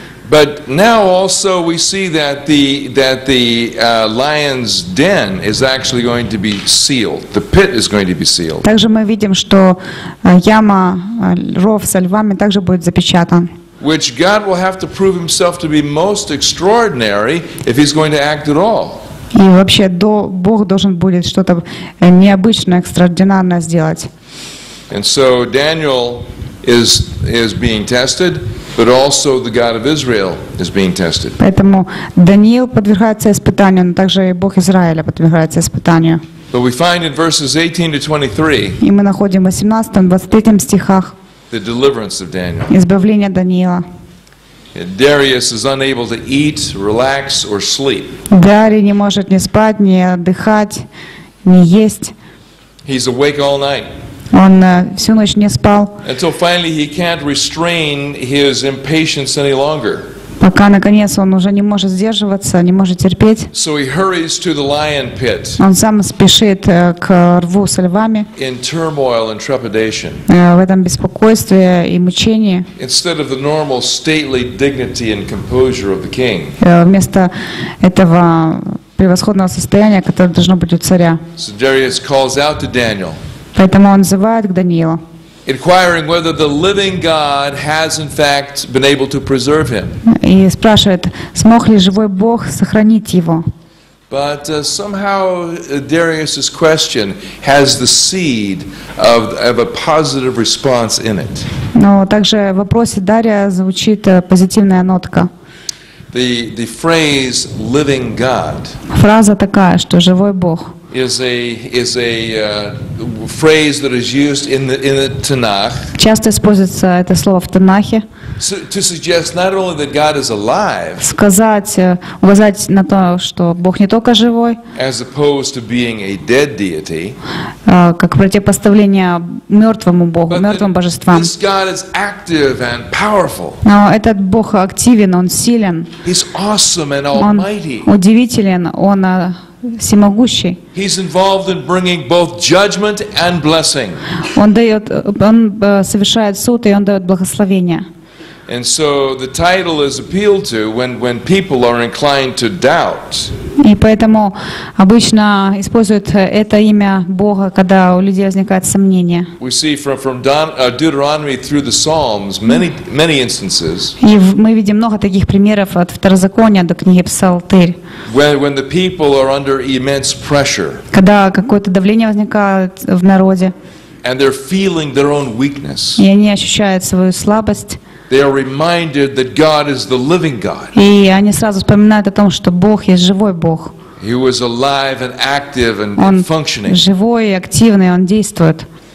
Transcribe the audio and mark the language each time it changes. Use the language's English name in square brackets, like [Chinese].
[English] But now also we see that the lion's den is actually going to be sealed. The pit is going to be sealed. [Russian] Также мы видим, что яма, ров со львами также будет запечатан. [English] Which God will have to prove himself to be most extraordinary if he's going to act at all. [Russian] И вообще Бог должен будет что-то необычное, экстраординарное сделать. [English] And so Daniel is being tested. But also the God of Israel is being tested. [Russian] Поэтому Даниил подвергается испытанию, но также и Бог Израиля подвергается испытанию. [English] But we find in verses 18 to 23. [Russian] И мы находим в 18-23 стихах. [English] The deliverance of Daniel. [Russian] Избавление Даниила. [English] Darius is unable to eat, relax, or sleep. [Russian] Дарий не может ни спать, ни отдыхать, ни есть. [English] He's awake all night. [Russian] Он всю ночь не спал. [English] Until finally he can't restrain his impatience any longer. [Russian] Пока наконец он уже не может сдерживаться, не может терпеть. [English] So he hurries to the lion pit. [Russian] Он сам спешит к рву со львами. [English] In turmoil and trepidation. [Russian] В этом беспокойстве и мучении. [English] Instead of the normal stately dignity and composure of the king. [Russian] Вместо этого превосходного состояния, которое должно быть у царя. [English] So Darius calls out to Daniel. [Russian] Поэтому он взывает к Даниилу. [English] Inquiring whether the living God has in fact been able to preserve him. [Russian] И спрашивает, смог ли живой Бог сохранить его. [English] But somehow Darius's question has the seed of a positive response in it. [Russian] Но также в вопросе Дария звучит позитивная нотка. [English] The phrase living God. [Russian] Фраза такая, что живой Бог. [English] Is a phrase that is used in the Tanakh. [Russian] Часто используется это слово в Танахе. [English] To suggest not only that God is alive. [Russian] Указать на то, что Бог не только живой. [English] As opposed to being a dead deity. [Russian] Как противопоставление мертвому Богу, мертвым божествам. [English] This God is active and powerful. [Russian] Но этот Бог активен, он силен. [English] He's awesome and almighty. [Russian] Он удивителен, он всемогущий. [English] He's involved in bringing both judgment and blessing. [Russian] Он совершает суд и он дает благословение. [English] And so the title is appealed to when people are inclined to doubt. [Russian] И поэтому обычно используют это имя Бога, когда у людей возникает сомнение. [English] We see from Deuteronomy through the Psalms many instances. [Russian] И мы видим много таких примеров от Второзакония до книги Псалтырь. [English] When the people are under immense pressure. [Russian] Когда какое-то давление возникает в народе. [English] And they're feeling their own weakness. [Russian] И они ощущают свою слабость. [English] They are reminded that God is the living God. [Russian] И они сразу вспоминают о том, что Бог есть живой Бог. [English] He was alive and active and functioning. [Russian] Он живой и активный, он действует.